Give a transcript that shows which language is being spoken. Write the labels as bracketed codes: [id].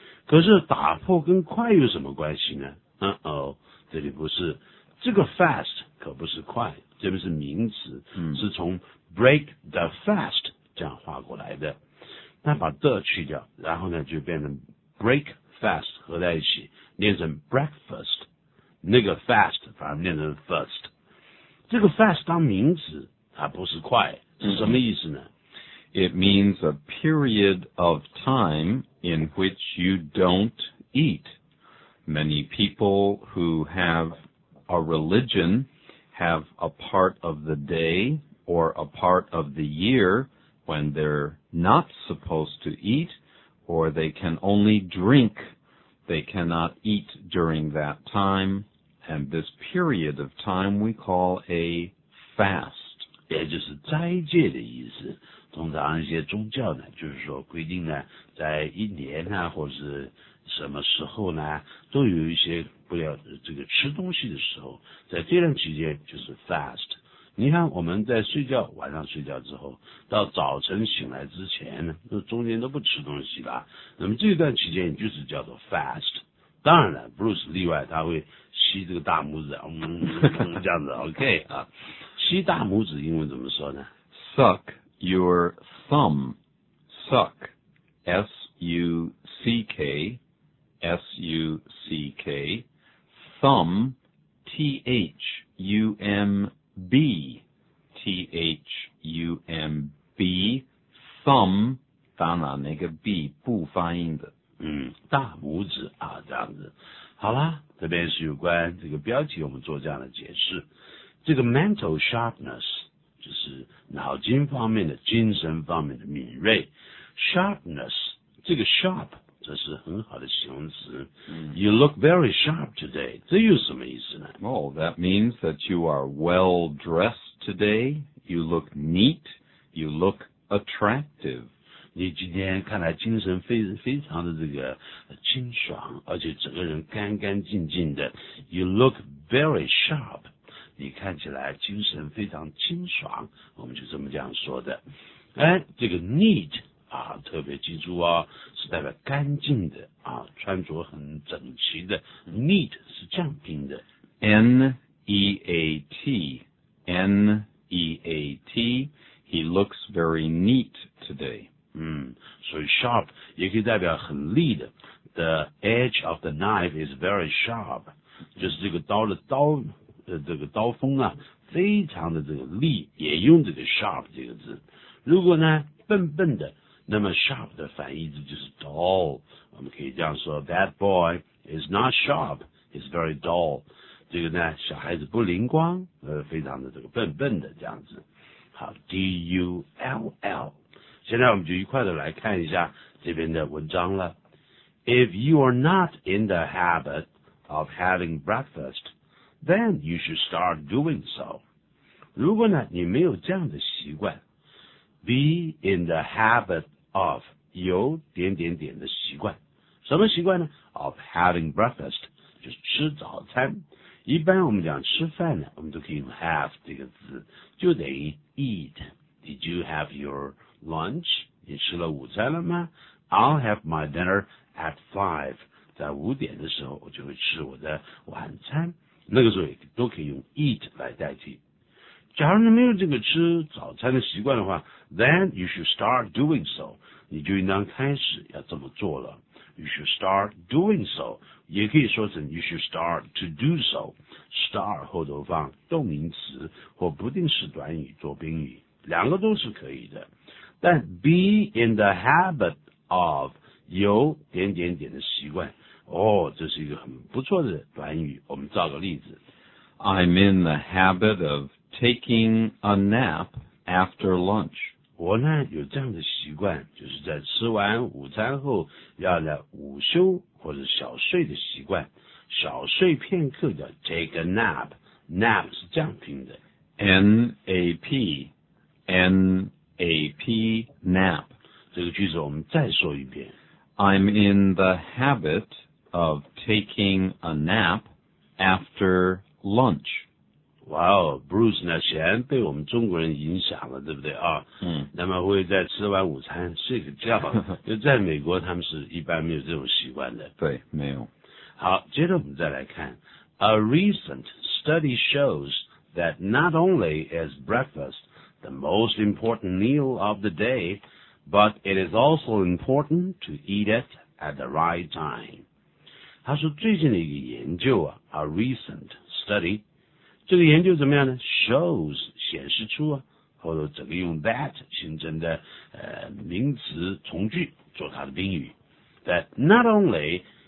[zh] 可是打破跟快有什么关系呢？这里不是，这个 fast 可不是快，这边是名词、是从 [en] break the fast [zh] 这样画过来的。那把 the 去掉，然后呢就变成 break fast 合在一起，念成 breakfast， 那个 fast 反而念成 first。这个 fast 当名词它不是快是什么意思呢？ [en] It means a period of time in which you don't eat. Many people who have a religion have a part of the day or a part of the year when they're not supposed to eat, or they can only drink. They cannot eat during that time, and this period of time we call a fast. [zh] 也就是斋戒的意思。通常一些宗教呢就是说规定呢在一年啊或者是什么时候呢都有一些不要这个吃东西的时候，在这段期间就是 fast。你看我们在睡觉，晚上睡觉之后到早晨醒来之前呢中间都不吃东西吧，那么这段期间就是叫做 fast。当然了 Bruce 例外，他会吸这个大拇指这样子 OK 啊，吸大拇指英文怎么说呢？ [en] suck your thumb, suck, S-U-C-K. C-K-S-U-C-K, thumb, T-H-U-M-B, T-H-U-M-B, thumb, [zh] 当然那个 B 不发音的。大拇指啊，这样子。好啦，这边是有关这个标题我们做这样的解释。这个 mental sharpness, 就是脑筋方面的精神方面的敏锐。 sharpness, 这个 sharp, 这是很好的形容词。 [en] You look very sharp today, [zh] 这有什么意思呢？ [en] Oh, that means that you are well dressed today, you look neat, you look attractive. [zh] 你今天看来精神非常的这个清爽，而且整个人干干净净的。 [en] You look very sharp. [zh] 你看起来精神非常清爽，我们就这么这样说的。哎，这个 neat 啊，特别记住哦，是代表干净的啊，穿着很整齐的。 Neat 是这样拼的 [en] ，N-E-A-T, N-E-A-T. He looks very neat today. [zh] 所以 sharp 也可以代表很利的。 [en] The edge of the knife is very sharp. [zh] 就是这个刀的刀这个刀锋啊非常的这个利，也用这个 sharp 这个字。如果呢笨笨的，那么 sharp 的反义词就是 dull。我们可以这样说 [en] ,that boy is not sharp, he's very dull. [zh] 这个呢小孩子不灵光非常的这个笨笨的这样子。好 ,D-U-L-L。现在我们就一块的来看一下这边的文章了。 [en] If you are not in the habit of having breakfast, then you should start doing so. [zh] 如果呢你没有这样的习惯 , [en] be in the habit of, [zh] 有点点点的习惯。什么习惯呢 ? [en] of having breakfast, [zh] 就是吃早餐。一般我们讲吃饭呢我们都可以用 have 这个字就等于 eat. [en] Did you have your... [zh] Lunch, 你吃了午餐了吗? [en] I'll have my dinner at 5. [zh] 在五点的时候我就会吃我的晚餐。那个时候都可以用 eat 来代替。假如你没有这个吃早餐的习惯的话 [en] then you should start doing so. [zh] 你就应当开始要这么做了。 [en] You should start doing so. [zh] 也可以说成 [en] you should start to do so. [zh] Start 后头放动名词或不定式短语做宾语。两个都是可以的。但 [en] be in the habit of [zh] 有点点点的习惯哦，这是一个很不错的短语。我们造个例子 [en] ：I'm in the habit of taking a nap after lunch。 [zh] 我呢有这样的习惯，就是在吃完午餐后要来午休或者小睡的习惯，小睡片刻的 [en] take a nap。 [zh] nap 是这样拼的，n a p n。 A-P, nap. 这个句子我们再说一遍。 [en] I'm in the habit of taking a nap after lunch. [zh] Wow, Bruce 呢显然被我们中国人影响了，对不对啊？那么会在吃完午餐睡个觉，就在美国他们是一般没有这种习惯的。对，没有。好，接着我们再来看。 [en] A recent study shows that not only is breakfast,the most important meal of the day, but it is also important to eat it at the right time. [zh] 他说最近的一个研究啊 , [en] a recent study, [zh] 这个研究怎么样呢 ?shows, 显示出啊或者整个用 that 形成的名词从句做它的宾语 , [en] that not only